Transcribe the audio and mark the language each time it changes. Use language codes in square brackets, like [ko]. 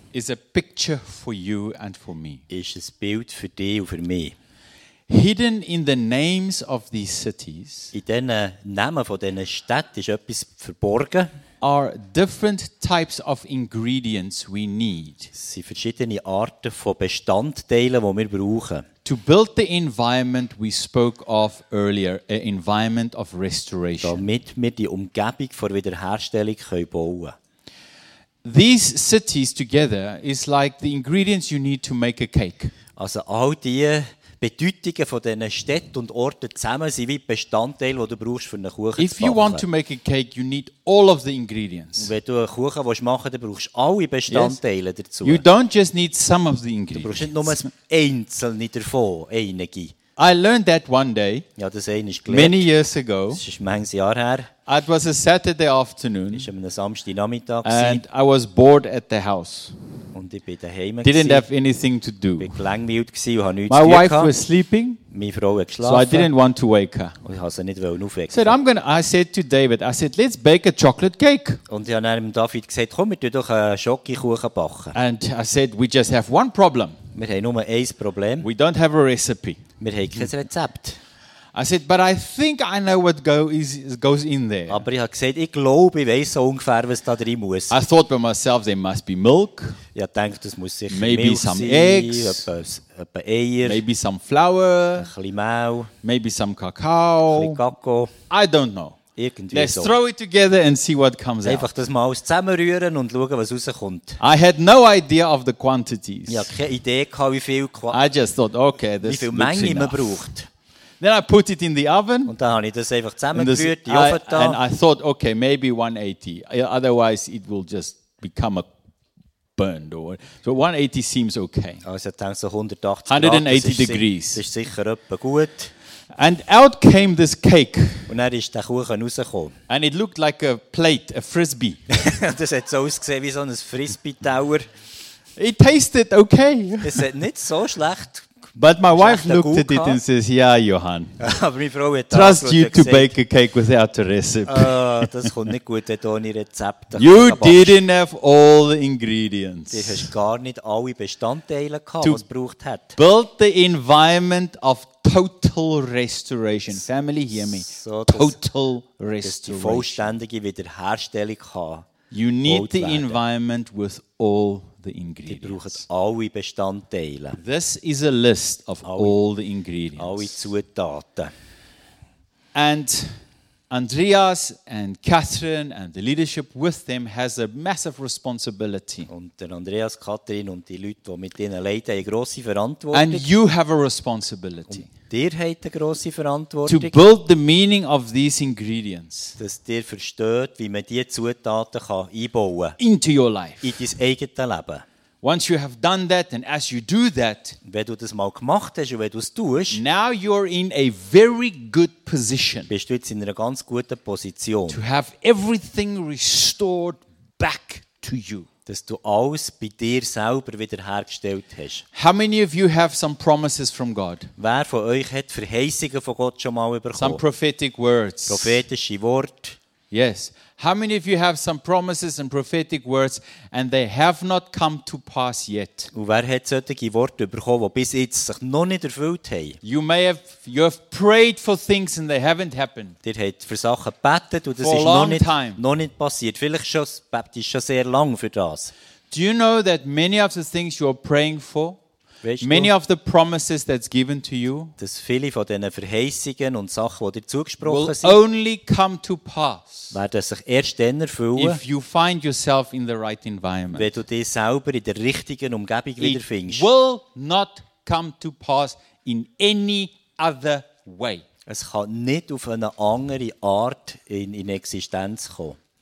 [en] is a picture for you and for me. [de] Ist ein Bild für dich und für mich. [en] Hidden in the names of these cities, [de] in den Namen von diesen Städten ist etwas verborgen. [en] Are different types of ingredients we need. [de] Sie verschiedene Arten von Bestandteilen, wo wir brauchen. [en] To build the environment we spoke of earlier, an environment of restoration. [de] Damit wir die Umgebung vor Wiederherstellung können bauen. [en] These cities together is like the ingredients you need to make a cake. [de] Also all die Bedeutungen von diesen Städten und Orten zusammen sind wie Bestandteile, die du brauchst für einen Kuchen zu backen. [en] If you want to make a cake, you need all of the ingredients. [de] Wenn du einen Kuchen machen willst, dann brauchst du alle Bestandteile dazu. [en] You don't just need some of the ingredients. [de] Du brauchst nicht nur einzelne davon, einige. [en] I learned that one day, [de] ja, das eine ist gelernt, [en] many years ago, [de] das ist manches Jahr her, [en] it was a Saturday afternoon, [de] ist an einem Samstagnachmittag, [en] and I was bored at the house. [de] Und und ich bin daheim. [en] Didn't have anything to do. [de] Bin gelangweilt gsi und habe nichts gemacht. [en] My wife was sleeping. [de] Meine Frau hat geschlafen. [en] So I didn't want to wake her. [de] Und ich habe sie nicht aufwecken. [en] I said to David, let's bake a chocolate cake. [de] Und ich habe David gesagt, komm, wir tun doch einen Schokokuchen backen. [en] And I said, we just have one problem. [de] Wir haben nur ein Problem. [en] We don't have a recipe. [de] Wir haben kein Rezept. [en] I said, but I think I know what goes in there. [de] Aber ich habe gesagt, ich glaube, ich weiß so ungefähr, was da drin muss. [en] I thought by myself, there must be milk. [de] Ich habe gedacht, das muss sicher [en] maybe [de] Milch [en] some [de] sein, [en] eggs, [de] etwa Eier, [en] maybe some flour, [de] ein bisschen Mehl, [en] maybe some cacao, [de] ein bisschen Kakao. [en] I don't know. [de] Irgendwie [en] let's [de] so. [en] Throw it together and see what comes [de] einfach Einfach das mal alles zusammenrühren und schauen, was rauskommt. [en] I had no idea of the quantities. [de] Ich hatte keine Idee, wie viel [en] I just thought, okay, this [de] wie viel Menge man braucht. [en] Then I put it in the oven. [de] Und dann habe ich das einfach zusammengerührt, in den Ofen da. [en] And I thought, okay, maybe 180. Otherwise it will just become a burned or so 180 seems okay. [de] Also ich denke so 180 180 Grad, [en] degrees. [de] Das ist sicher etwa gut. [en] And out came this cake. [de] Und dann ist der Kuchen rausgekommen. [en] And it looked like a plate, a frisbee. [de] Das hat so ausgesehen wie so ein Frisbee-Tower. [en] It tasted okay. [de] Es hat nicht so schlecht. [en] But my wife looked at it and says, yeah, Johann, [de] aber meine Frau hat [en] trust you to bake a cake without a recipe. [de] Das kommt nicht gut, wenn du ohne Rezept. [en] You didn't have all the ingredients. [de] Du hast gar nicht alle Bestandteile gehabt, was es gebraucht hat. [en] Build the environment of total restoration. Family, hear me. So, total restoration. [de] Die vollständige Wiederherstellung gehabt. [en] You need the environment with all the ingredients. [de] Die brauchen alle Bestandteile. [en] This is a list of all the ingredients. [de] Alle Zutaten. [en] And Andreas and Catherine and the leadership with them has a massive responsibility. [de] Und der Andreas, Catherine und die Leute, die mit ihnen leiden, haben eine grosse Verantwortung. [en] And you have a responsibility. [de] Und ihr habt eine grosse Verantwortung. [en] To build the meaning of these ingredients. [de] Dass ihr versteht, wie man diese Zutaten einbauen kann. [en] Into your life. [de] In dein eigenes Leben. [en] Once you have done that and as you do that, [de] wenn du das mal gemacht hast und wenn du es tust, [en] now you're in a very good position. [de] Bist du jetzt in einer ganz guten Position. [en] To have everything restored back to you. [de] Dass du alles bei dir selber wiederhergestellt hast. [en] How many of you have some promises from God? [de] Wer von euch hat Verheißungen von Gott schon mal bekommen? [en] Some prophetic words. [de] Prophetische Worte. [en] Yes. How many of you have some promises and prophetic words and they have not come to pass yet? Und wer hat solche Worte bekommen, die bis jetzt sich noch nicht erfüllt haben? You have prayed for things and they haven't happened. Ihr habt für Sachen gebetet und das ist noch nicht passiert. [de] Vielleicht schon, bebt ihr schon sehr lang für das. [en] Do you know that many of the things you are praying for, many of the promises that's given to you, [de] dass viele von diesen Verheißungen und Sachen, die dir zugesprochen [en] will [de] sind, [en] only come to pass, [de] werden sich erst dann erfüllen, [en] if you find yourself in the right environment, [de] wenn du dich selber in der richtigen Umgebung wiederfindest. [en] It will not come to pass in any other way. [de] Es kann nicht auf eine andere Art in Existenz kommen.